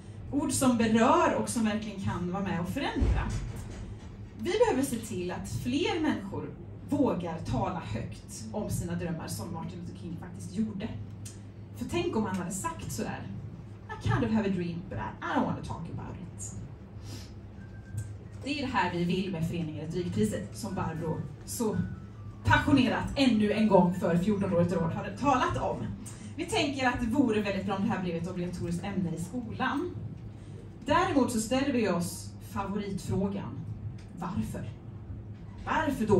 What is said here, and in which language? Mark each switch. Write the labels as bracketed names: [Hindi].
[Swedish] Ord som berör och som verkligen kan vara med och förändra. Vi behöver se till att fler människor vågar tala högt om sina drömmar som Martin Luther King faktiskt gjorde. För tänk om han hade sagt så där. [English] I kind of have a dream, but I don't want to talk about it. [Swedish] Det är det här vi vill med föreningen Retorikpriset, som Barbro så passionerat ännu en gång för 14-året år hade talat om. Vi tänker att det vore väldigt bra om det här blev ett obligatoriskt ämne i skolan. Däremot så ställer vi oss favoritfrågan. Varför? Varför då?